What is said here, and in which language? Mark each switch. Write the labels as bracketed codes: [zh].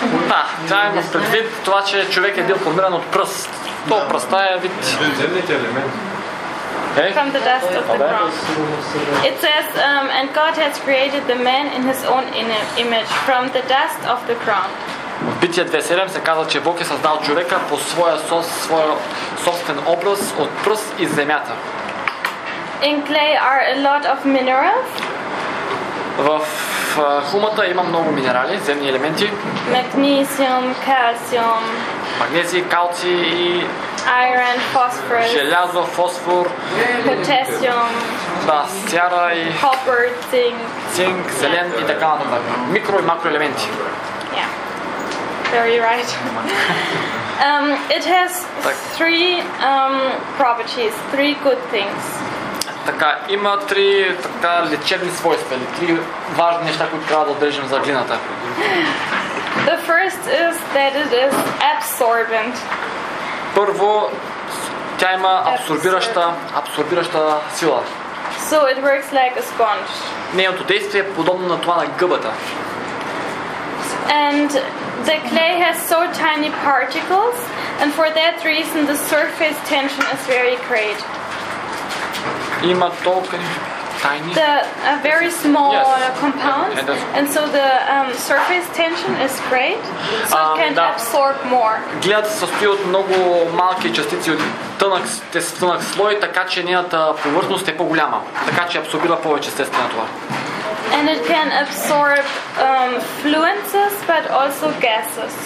[bg] Да, тя има предвид това, че човек е бил формиран от пръст. То пръста е вид. Земните елементи. [en] Okay. From the dust of the ground. It says, and God has created the man in his own image from the dust of the ground. [bg] В Бития 2.7 се казва, че Бог е създал човека по своя собствен образ от пръст и земята. [en] In clay are a lot of minerals. [bg] В хумата има много минерали, земни елементи. Магнезиум, калциум. Магнезий, калций и. [en] Iron, phosphorus. [bg] Желязо, фосфор. Потасиум. Да, сяра и. [en] Copper, zinc. [bg] Цинк, зелен и така нататък. Микро и макро елементи. [en] Yeah. Very right. It has three properties, three good things. [bg] Така, има три така лечебни свойства, три важни неща, които трябва да държим за глината. [en] The first is that it is absorbent. [bg] Първо, тя има абсорбираща сила. [en] So it works like a sponge. [bg] Нейното действие е подобно на това на гъбата. [en] And the clay has so tiny particles, and for that reason the surface tension is very great. [bg] Има толкова тайни. [en] The a very small compound, and so the surface tension is great, so it can absorb more. [bg] Глината състои от много малки частици от тънък слой, така че нейната повърхност е по-голяма, така че абсорбира повече естествено това. [en] And it can absorb fluences, but also gases.